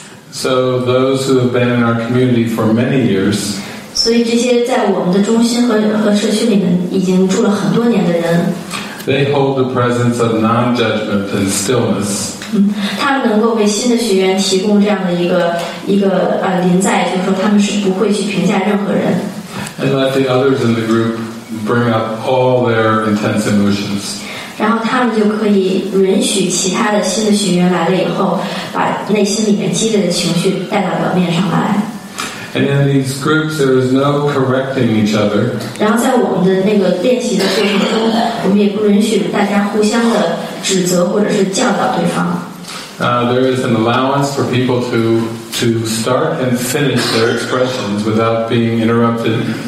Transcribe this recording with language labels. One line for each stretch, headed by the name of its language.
English: So those who have been in our community for many years, they hold the presence of non-judgment and stillness.
Chinese: 他们能够为新的学员提供这样的一个临在, 就是说他们是不会去评价任何人。
English: And let the others in the group bring up all their intense emotions.
Chinese: 然后他们就可以允许其他的新的学员来了以后, 把内心里面积累的情绪带到表面上来。
English: And in these groups, there is no correcting each other.
Chinese: 然后在我们的那个练习的过程中, 我们也不允许大家互相的指责或者是教导对方。
English: There is an allowance for people to start and finish their expressions without being interrupted.